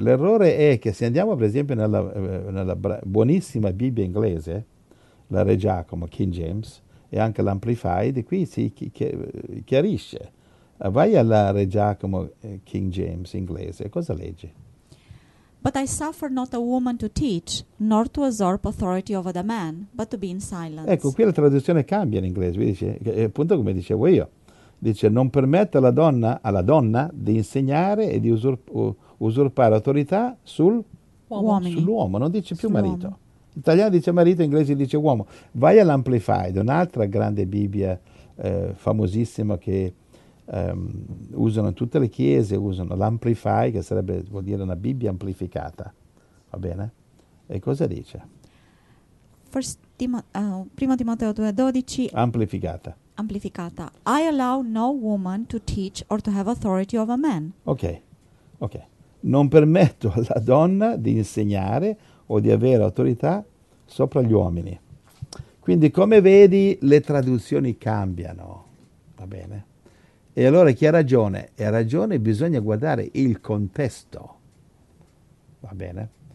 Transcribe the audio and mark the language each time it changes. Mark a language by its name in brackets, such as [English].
[Italian] L'errore è che se andiamo, per esempio, nella buonissima Bibbia inglese, la Re Giacomo, King James, e anche l'Amplified, qui si chiarisce. Vai alla Re Giacomo, King James, inglese, cosa leggi? [English] But I suffer not a woman to teach, nor to usurp authority over the man, but to be in silence. [Italian] Ecco, qui la traduzione cambia in inglese, quindi dice, appunto come dicevo io, dice, non permette alla donna di insegnare e di usurpare autorità sull'uomo, non dice più marito. L'italiano dice marito, l'inglese dice uomo. Vai all'Amplified, un'altra grande Bibbia famosissima che... usano tutte le chiese, usano l'Amplify, che sarebbe, vuol dire una Bibbia amplificata, va bene? E cosa dice? [English] First, 1 Timoteo 2:12 [Italian] amplificata. Amplificata. [English] I allow no woman to teach or to have authority over men. [Italian] Ok, ok. Non permetto alla donna di insegnare o di avere autorità sopra gli uomini. Quindi, come vedi, le traduzioni cambiano, va bene? E allora chi ha ragione? E ha ragione, bisogna guardare il contesto, va bene?